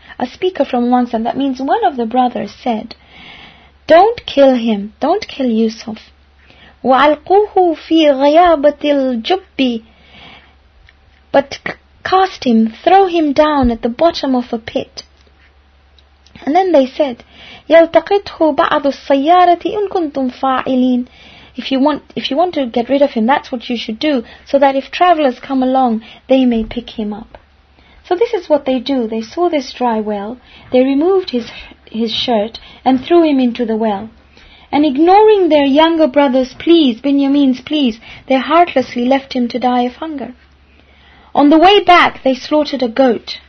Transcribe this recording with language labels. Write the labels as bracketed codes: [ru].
[en] A speaker from amongst them, that means one of the brothers, said, don't kill him, don't kill Yusuf. [ar] وَأَلْقُوهُ فِي غَيَابَةِ الْجُبِّ. [en] But cast him, throw him down at the bottom of a pit. And then they said, [ar] يَلْتَقِطْهُ بَعْضُ السَّيَّارَةِ إِن كُنْتُمْ فَاعِلِينَ. [en] If you want to get rid of him, that's what you should do, so that if travelers come along, they may pick him up. So this is what they do. They saw this dry well, they removed his shirt and threw him into the well. And ignoring their younger brother's pleas, Binyamin's pleas, they heartlessly left him to die of hunger. On the way back, they slaughtered a goat